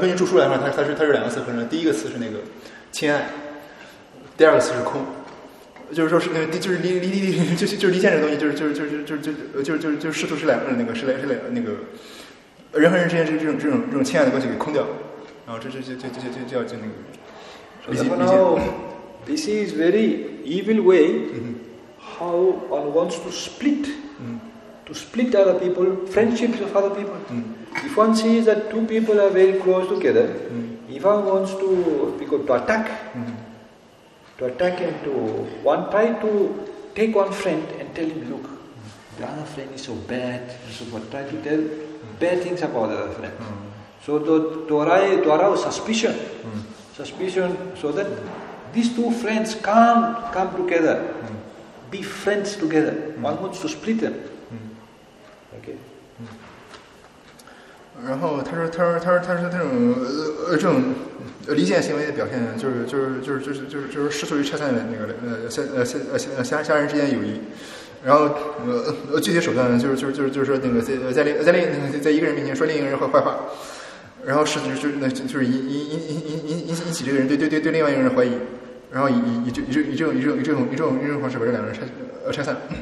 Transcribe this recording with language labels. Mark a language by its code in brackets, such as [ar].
[zh] 根据著述来看，他是两个词合成。第一个词是那个亲爱，第二个词是空，就是说是那个，就是离间这个东西，就是试图是两个那个是两个人和人之间这种亲爱的关系给空掉，然后这叫那个离间。 [en] So this is very evil way how one wants to split. To split other people, friendships of other people. If one sees that two people are very close together, if one wants to attack and to one try to take one friend and tell him, look, the other friend is so bad, and so forth, try to tell bad things about the other friend. So to arouse suspicion. Suspicion so that these two friends can't come together, be friends together. One wants to split them. [zh] 然后他说这种离间行为的表现就是试图于拆散那个三人之间友谊，然后具体手段就是说那个在一个人面前说另一个人坏话，然后就是引起这个人对另外一个人怀疑，然后以这种方式把这两个人拆散。